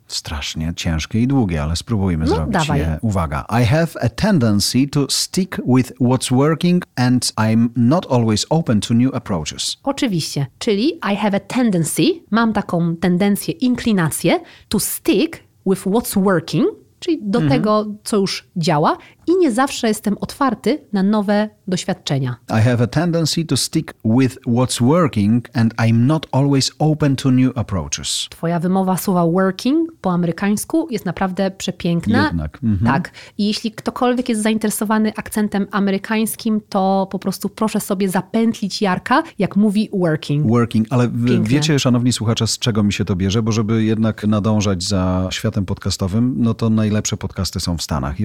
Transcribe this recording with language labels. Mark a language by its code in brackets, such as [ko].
[pl] Strasznie ciężkie i długie, ale spróbujmy no, zrobić dawaj. Je. Uwaga. [en] I have a tendency to stick with what's working and I'm not always open to new approaches. [pl] Oczywiście. Czyli [en] I have a tendency, [pl] mam taką tendencję, inklinację [en] to stick with what's working. [pl] Czyli do tego, co już działa i nie zawsze jestem otwarty na nowe doświadczenia. [en] I have a tendency to stick with what's working and I'm not always open to new approaches. [pl] Twoja wymowa słowa working po amerykańsku jest naprawdę przepiękna. Jednak. Mm-hmm. Tak. I jeśli ktokolwiek jest zainteresowany akcentem amerykańskim, to po prostu proszę sobie zapętlić Jarka, jak mówi working. Working, ale wiecie, szanowni słuchacze, z czego mi się to bierze, bo żeby jednak nadążać za światem podcastowym, no to najlepsze podcasty są w Stanach.